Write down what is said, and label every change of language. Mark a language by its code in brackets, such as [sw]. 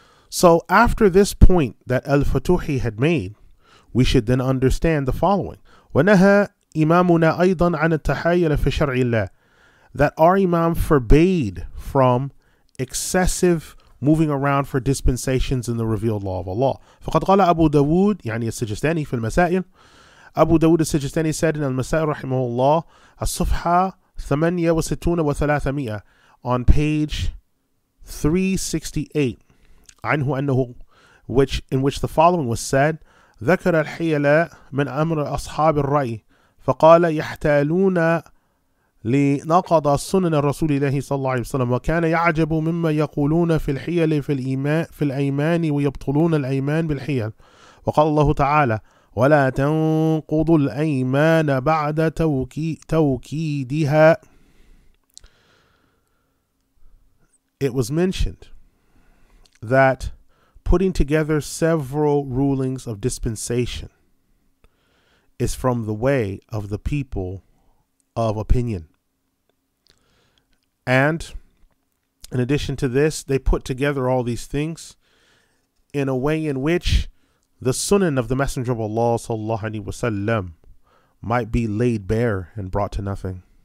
[en] So after this point that Al-Futuhi had made, we should then understand the following. [ar] وَنَهَا إِمَامُنَا أَيْضًا عَنَ التَّحَيَّلَ فِي شَرْعِ اللَّهِ. [en] That our Imam forbade from excessive moving around for dispensations in the revealed law of Allah. [ar] فقد قال أبو داود يعني السجستاني في المسائل أبو داود السجستاني [en] said in [ar] المسائل رحمه الله الصفحة ثمانية وستون وثلاثمائة, [en] on page 368, [ar] عنه أنه, [en] which in which the following was said, [ar] ذكر الحيلة من أمر أصحاب الرأي, فقال يحتالون لنقض سنن الرسول الله صلى الله عليه وسلم, وكان يعجب مما يقولون في الحيل في الإيمان في الأيمان ويبطلون الأيمان بالحيل. وقال الله تعالى ولا تنقضوا الأيمان بعد توكيدها. [en] It was mentioned that putting together several rulings of dispensation is from the way of the people of opinion. And in addition to this, they put together all these things in a way in which the sunnah of the Messenger of Allah sallallahu alaihi wasallam might be laid bare and brought to nothing.